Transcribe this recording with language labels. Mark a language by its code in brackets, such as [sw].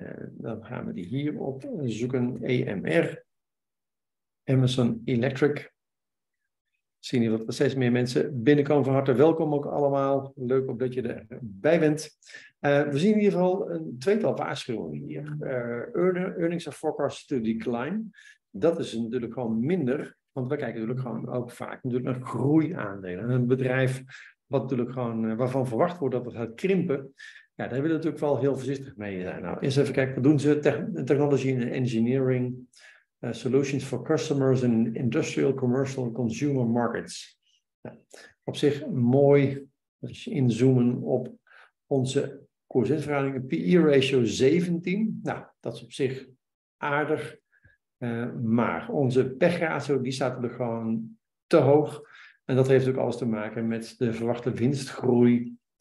[nl] Dan gaan we die hier op zoeken, EMR, Emerson Electric. Zien jullie dat er steeds meer mensen binnenkomen? Van harte welkom ook allemaal. Leuk ook dat je erbij bent. We zien in ieder geval een tweetal waarschuwingen hier. [en] Earnings are forecast to decline. [nl] Dat is natuurlijk gewoon minder. Want we kijken natuurlijk gewoon ook vaak natuurlijk naar groeiaandelen. Een bedrijf wat natuurlijk gewoon, waarvan verwacht wordt dat het gaat krimpen. Ja, daar willen we natuurlijk wel heel voorzichtig mee zijn. Nou, eerst even kijken. Wat doen ze? [en] Technology and engineering. Solutions for customers in industrial, commercial and consumer markets. [nl] Ja, op zich mooi als je inzoomen op onze koersverhoudingen. PE ratio 17. Nou, dat is op zich aardig. Maar onze PEG ratio die staat er gewoon te hoog. En dat heeft ook alles te maken met de verwachte winstgroei.